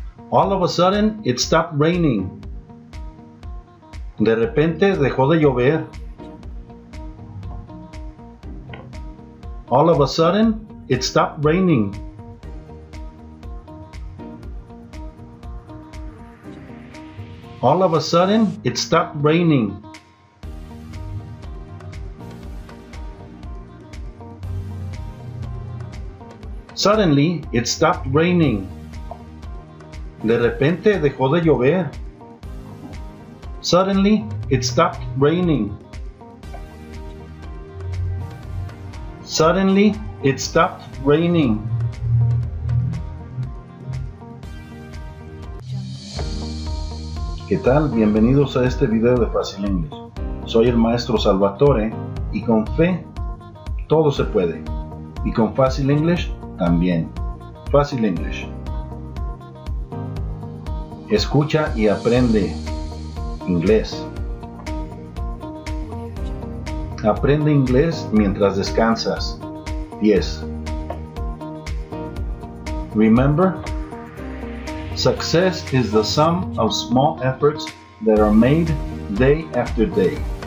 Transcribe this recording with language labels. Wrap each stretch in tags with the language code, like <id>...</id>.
<en>All of a sudden, it stopped raining.</en> <es>De repente dejó de llover.</es> <en>All of a sudden, it stopped raining. All of a sudden, it stopped raining. Suddenly, it stopped raining.</en> <es>De repente dejó de llover.</es> <en>Suddenly, it stopped raining. Suddenly, it stopped raining.</en> <es>¿Qué tal? Bienvenidos a este video de Fácil Inglés. Soy el maestro Salvatore y con fe todo se puede. Y con Fácil Inglés también. Fácil Inglés. Escucha y aprende inglés. Aprende inglés mientras descansas. 10.</es> <en>Remember, success is the sum of small efforts that are made day after day.</en>